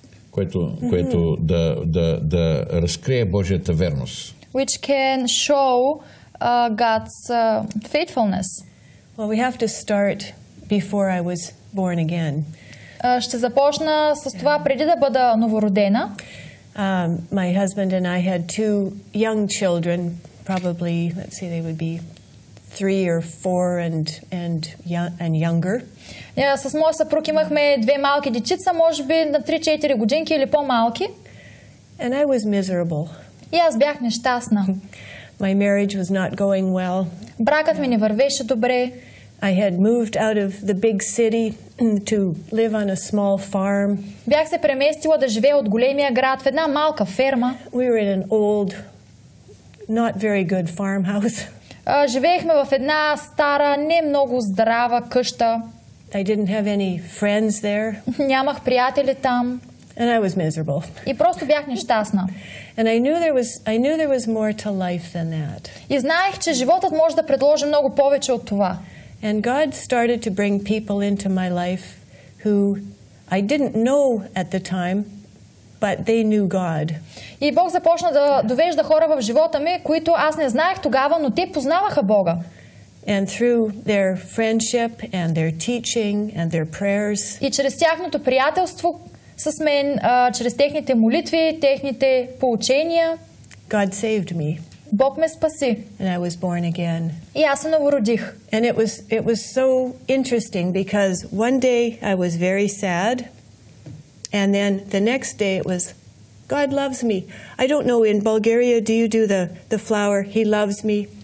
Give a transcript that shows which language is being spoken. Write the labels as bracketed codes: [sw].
[bg] Което да разкрие Божията верност. [en] Which can show God's faithfulness. Well, we have to start before I was born again. [bg] Ще започна с това преди да бъда новородена. [en] My husband and I had two young children, probably, let's see, they would be 3 or 4 and younger. [bg] Yeah, с моя съпруг имахме две малки дечица, може би на 3-4 годинки или по-малки. [en] And I was miserable. [bg] И аз бях нещастна. [en] My marriage was not going well. [bg] Бракът ми не вървеше добре. [en] I had moved out of the big city to live on a small farm. [bg] Бях се преместила да живея от големия град в една малка ферма. [en] We were in an old, not very good farmhouse. [bg] Живеехме в една стара, не много здрава къща. [en] I didn't have any friends there. [bg] Нямах приятели там. [en] And I was miserable. [bg] И просто бях нещастна. [en] And I knew there was more to life than that. [bg] И знаех, че животът може да предложи много повече от това. [en] And God started to bring people into my life who I didn't know at the time, but they knew God. [bg] И Бог започна да довежда хора в живота ми, които аз не знаех тогава, но те познаваха Бога. [en] And through their friendship and their teaching and their prayers. [bg] И чрез тяхното приятелство с мен, чрез техните молитви, техните поучения, [en] God saved me. [bg] Бог ме спаси. [en] And I was born again. [bg] И аз се новородих. [en] And it was so interesting because one day I was very sad. And then the next day it was, God loves me. I don't know, in Bulgaria, do you do the flower, he loves me?